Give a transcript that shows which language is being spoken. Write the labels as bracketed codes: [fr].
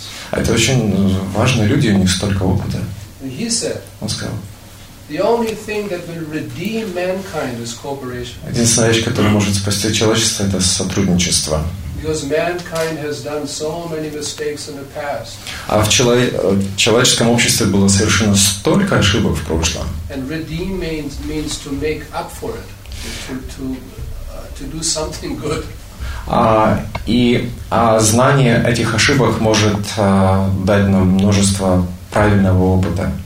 [ru] Это очень важные люди, у них столько опыта. [en] He said, [ru] он сказал. [en] The only thing that will redeem mankind is cooperation. [ru] Единственная вещь, которая может спасти человечество, это сотрудничество. [en] Because mankind has done so many mistakes in the past. [ru] А в человеческом обществе было совершено столько ошибок в прошлом. [en] And redeem means to make up for it, to do something good. [ru] Знание этих ошибок может дать нам множество правильного опыта.